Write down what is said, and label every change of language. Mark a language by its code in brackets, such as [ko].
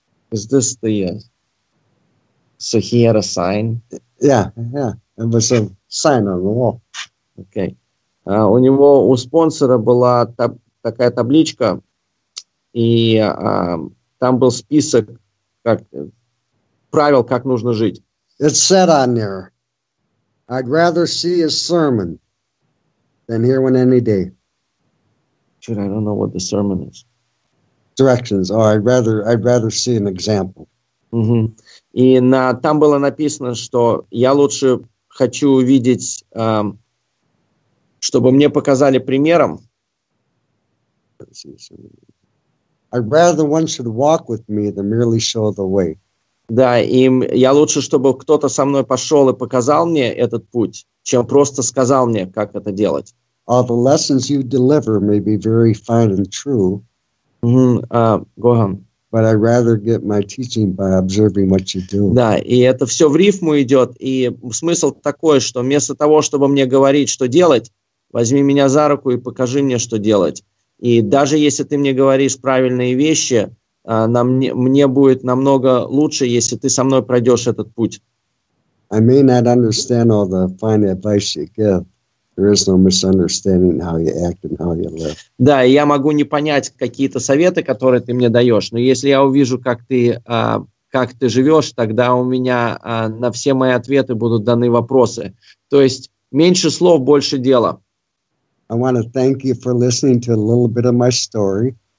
[en] Is this the so he had a sign? Yeah, it was a sign on the wall. Okay. [ru] У него у спонсора была такая табличка, и там был список как правил, как нужно жить. [en] It said on there, I'd rather see a sermon than hear one any day. Dude, I don't know what the sermon is. Directions, or I'd rather see an example. Mm-hmm. [ru] И на там было написано, что я лучше хочу увидеть, чтобы мне показали примером. [en] I'd rather one should walk with me than merely show the way. [ru] Да, им я лучше, чтобы кто-то со мной пошел и показал мне этот путь, чем просто сказал мне, как это делать. [en] All the lessons you deliver may be very fine and true. Mm-hmm. Go on. But I'd rather get my teaching by observing what you do. [ru] Да, и это все в рифму идет. И смысл такой, что вместо того, чтобы мне говорить, что делать, возьми меня за руку и покажи мне, что делать. И даже если ты мне говоришь правильные вещи, мне будет намного лучше, если ты со мной пройдешь этот путь. [en] I may not understand all the fine advice you give. There is no misunderstanding how you act and how you live. [ru] Да, я могу не понять какие-то советы, которые ты мне даешь, но если я увижу, как ты живешь, тогда у меня на все мои ответы будут даны вопросы. То есть меньше слов, больше дела. [en] I want to thank you for listening to a little bit of my story.